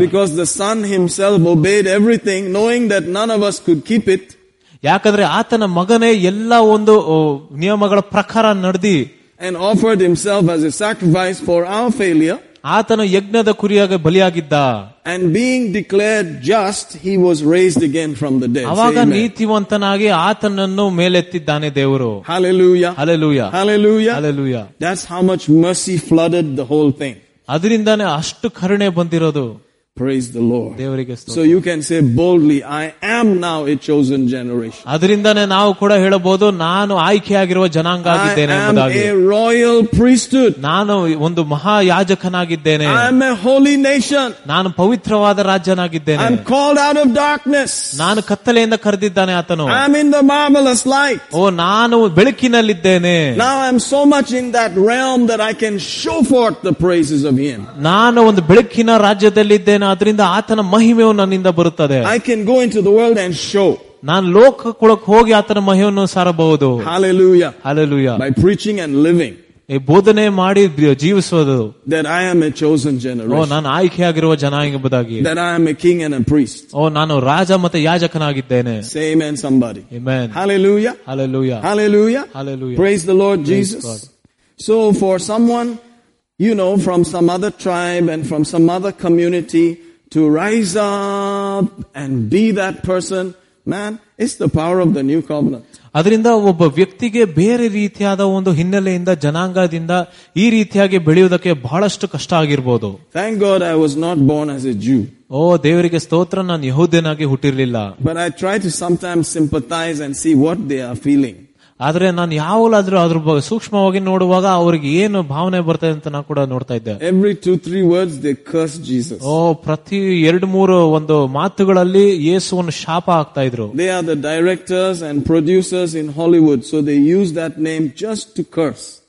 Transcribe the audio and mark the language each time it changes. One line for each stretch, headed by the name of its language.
English: Because the son himself obeyed everything, knowing that none of us could keep it.
Kannada: ಯಾಕಂದ್ರೆ ಆತನ ಮಗನೇ ಎಲ್ಲ ಒಂದು ನಿಯಮಗಳ ಪ್ರಕಾರ ನಡೆದಿ.
English: And offered himself as a sacrifice for our failure.
Kannada: ಆತನು ಯಜ್ಞದ ಕುರಿಯಾಗಿ ಬಲಿಯಾಗಿದ್ದ.
English: And being declared just, he was raised again from the dead.
Kannada: ಅವಾಗ ನೀತಿವಂತನಾಗಿ ಆತನನ್ನು ಮೇಲೆತ್ತಿದ್ದಾನೆ ದೇವರು.
English: Hallelujah. Hallelujah. Hallelujah. Hallelujah. That's how much mercy flooded the whole thing.
Kannada: ಅದರಿಂದಾನೆ ಅಷ್ಟು ಕರುಣೆ ಬಂದಿರೋದು.
English: Praise the Lord.
Kannada: ದೇವರಿಗೆ ಸ್ತೋತ್ರ.
English: So you can say boldly, I am now a chosen generation.
Kannada: ಅದರಿಂದಾನೆ ನಾವು ಕೂಡ ಹೇಳಬಹುದು, ನಾನು ಆಯ್ಕೆಯಾಗಿರುವ ಜನಾಂಗ ಆಗಿದ್ದೇನೆ ಎಂಬುದಾಗಿ.
English: I am a royal priesthood.
Kannada: ನಾನು ಒಂದು ಮಹಾಯಾಜಕನಾಗಿದ್ದೇನೆ.
English: I am a holy nation.
Kannada: ನಾನು ಪವಿತ್ರವಾದ ರಾಜ್ಯನಾಗಿದ್ದೇನೆ.
English: I am called out of darkness.
Kannada: ನಾನು ಕತ್ತಲೆಯಿಂದ ಕರೆದಿದ್ದಾನೆ ಆತನು.
English: I am in the marvelous light.
Kannada: ಓ ನಾನು ಬೆಳಕಿನಲ್ಲಿದ್ದೇನೆ.
English: Now I am so much in that realm that I can show forth the praises of him.
Kannada: ನಾನು ಒಂದು ಬೆಳಕಿನ ರಾಜ್ಯದಲ್ಲಿ ಅದರಿಂದ ಆತನ ಮಹಿಮೆಯು ನನ್ನಿಂದ ಬರುತ್ತದೆ.
English: I can go into the world and show.
Kannada: ನಾನು ಲೋಕ ಕೊಳಕ್ಕೆ ಹೋಗಿ ಆತನ ಮಹಿಮೆಯನ್ನು ಸಾರಬಹುದು.
English: Hallelujah. Hallelujah. By preaching and living.
Kannada: ಈ ಬೋಧನೆ ಮಾಡಿ ಜೀವಿಸುವುದು.
English: That I am a chosen generation.
Kannada: ಓ ನಾನು ಆಯ್ಕೆಯಾಗಿರುವ ಜನ ಎಂಬುದಾಗಿ.
English: That I am a king and a priest.
Kannada: ಓ ನಾನು ರಾಜ ಮತ್ತು ಯಾಜಕನಾಗಿದ್ದೇನೆ.
English: Say amen somebody. Amen. Hallelujah. Hallelujah. Hallelujah. Hallelujah. Praise the Lord Jesus. So for someone, you know, from some other tribe and from some other community to rise up and be that person, man, it's the power of the new covenant.
Kannada: ಅದರಿಂದ ಒಬ್ಬ ವ್ಯಕ್ತಿಗೆ ಬೇರೆ ರೀತಿಯಾದ ಒಂದು ಹಿನ್ನೆಲೆಯಿಂದ ಜನಾಂಗದಿಂದ ಈ ರೀತಿಯಾಗಿ ಬೆಳೆಯುವುದಕ್ಕೆ ಬಹಳಷ್ಟು ಕಷ್ಟ ಆಗಿರಬಹುದು.
English: Thank God I was not born as a Jew.
Kannada: ಓ ದೇವರಿಗೆ ಸ್ತೋತ್ರ, ನಾನು ಯಹೂದ್ಯನಾಗಿ ಹುಟ್ಟಿರಲಿಲ್ಲ.
English: But I try to sometimes sympathize and see what they are feeling.
Kannada: ಆದ್ರೆ ನಾನು ಯಾವಾಗಲಾದ್ರೂ ಅದ್ರ ಬಗ್ಗೆ ಸೂಕ್ಷ್ಮವಾಗಿ ನೋಡುವಾಗ ಅವರಿಗೆ ಏನು ಭಾವನೆ ಬರ್ತದೆ ಅಂತ ನಾನು ಕೂಡ ನೋಡ್ತಾ ಇದ್ದೆ.
English: Every two three words they curse Jesus.
Kannada: ಓ ಪ್ರತಿ ಎರಡು ಮೂರು ಒಂದು ಮಾತುಗಳಲ್ಲಿ ಯೇಸುವನ್ನು ಶಾಪ ಆಗ್ತಾ ಇದ್ರು.
English: They are the directors and producers in Hollywood, so they use that name just to curse.